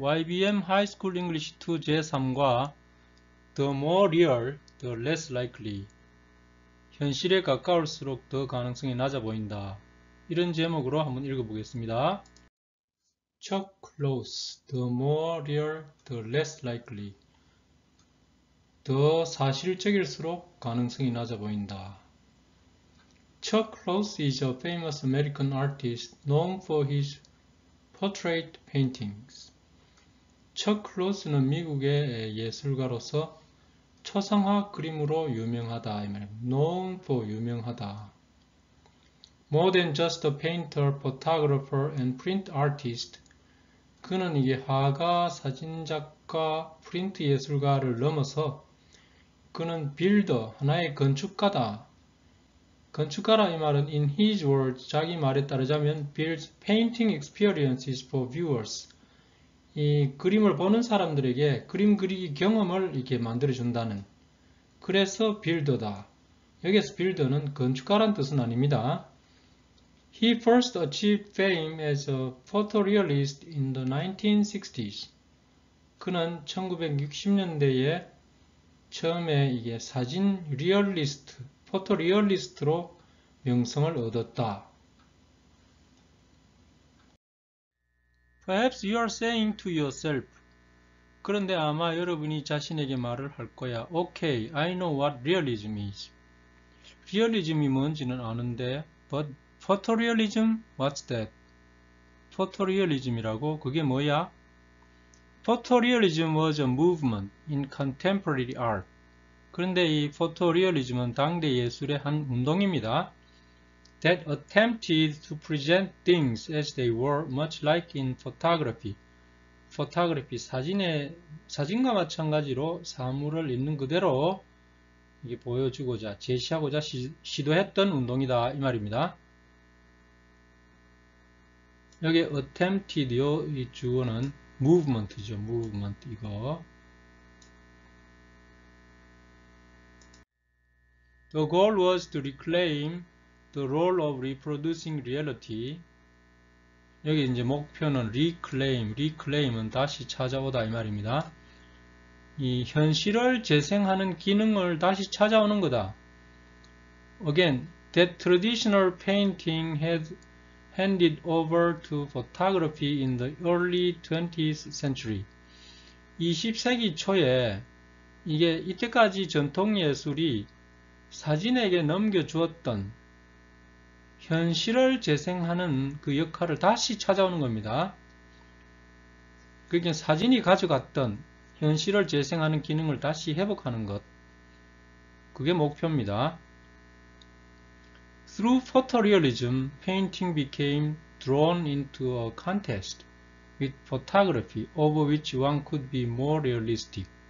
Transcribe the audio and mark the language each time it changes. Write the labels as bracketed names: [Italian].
[English] YBM High School English 2 [Korean] 제3과 [English] The More Real, The Less Likely. [Korean] 현실에 가까울수록 더 가능성이 낮아 보인다. 이런 제목으로 한번 읽어보겠습니다. [English] Chalk Close, The More Real, The Less Likely. [Korean] 더 사실적일수록 가능성이 낮아 보인다. [English] Chalk Close is a famous American artist known for his Portrait paintings. [Korean] Chuck Close는 미국의 예술가로서 초상화 그림으로 유명하다. [English] Known for [Korean] 유명하다. [English] More than just a painter, photographer, and print artist. [Korean] 그는 이게 화가, 사진작가, 프린트 예술가를 넘어서 그는 빌더, 하나의 건축가다. 건축가라 이 말은 [English] in his words [Korean] 자기 말에 따르자면 [English] builds painting experiences for viewers. [Korean] 이 그림을 보는 사람들에게 그림 그리기 경험을 이렇게 만들어 준다는. 그래서 builder다. 여기서 builder는 건축가란 뜻은 아닙니다. [English] He first achieved fame as a photorealist in the 1960s. [Korean] 그는 1960년대에 처음에 이게 사진 리얼리스트, 포토리얼리스트로 명성을 얻었다. [English] Perhaps you are saying to yourself. [Korean] 그런데 아마 여러분이 자신에게 말을 할 거야. [English] Okay, I know what realism is. [Korean] 리얼리즘이 뭔지는 아는데, [English] but photorealism, what's that? [Korean] 포토리얼리즘이라고? 그게 뭐야? [English] Photorealism was a movement in contemporary art. [Korean] 그런데 이 포토리얼리즘은 당대 예술의 한 운동입니다. [English] That attempted to present things as they were, much like in photography. [Korean] Photography, 사진과 마찬가지로 사물을 있는 그대로 이게 보여주고자, 제시하고자 시도했던 운동이다. 이 말입니다. 여기 attempted, 이 주어는 movement죠. movement, 이거. [English] The goal was to reclaim The role of reproducing reality. [Korean] 여기 이제 목표는 reclaim. reclaim은 다시 찾아오다 이 말입니다. 이 현실을 재생하는 기능을 다시 찾아오는 거다. [English] Again, that traditional painting had handed over to photography in the early 20th century. [Korean] 20세기 초에 이게 이때까지 전통 예술이 사진에게 넘겨주었던 현실을 재생하는 그 역할을 다시 찾아오는 겁니다. 그게 사진이 가져갔던 현실을 재생하는 기능을 다시 회복하는 것. 그게 목표입니다. [English] Through photorealism, painting became drawn into a contest with photography over which one could be more realistic.